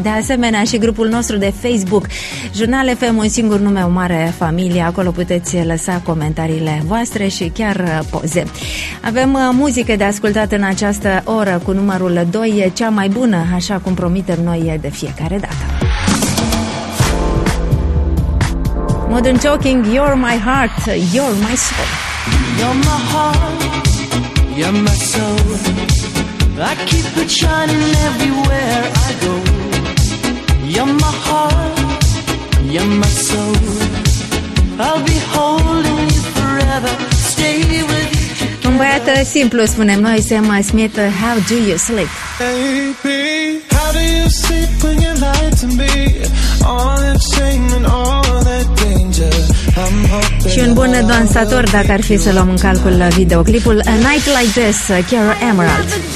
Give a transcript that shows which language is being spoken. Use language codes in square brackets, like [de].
[ro] De asemenea și grupul nostru de Facebook Jurnal FM, un singur nume, o mare familie. Acolo puteți lăsa comentariile voastre și chiar poze. Avem muzică de ascultat în această oră cu numărul 2, cea mai bună, așa cum promitem noi de fiecare dată. Modern Talking, You're My Heart, You're My Soul. [en] You're my heart, you're my soul. I keep it shining everywhere I go. You're my heart, you're my soul. I'll be holding you forever. Stay with you. [ro] Un băiat simplu, spunem noi, Sam Smith, How Do You Sleep? [en] Baby, how do you sleep when you lie to me? All that shame and all that danger. [ro] Și un bun dansator, dacă ar fi să luăm în calcul videoclipul, A Night Like This, Kiara Emerald.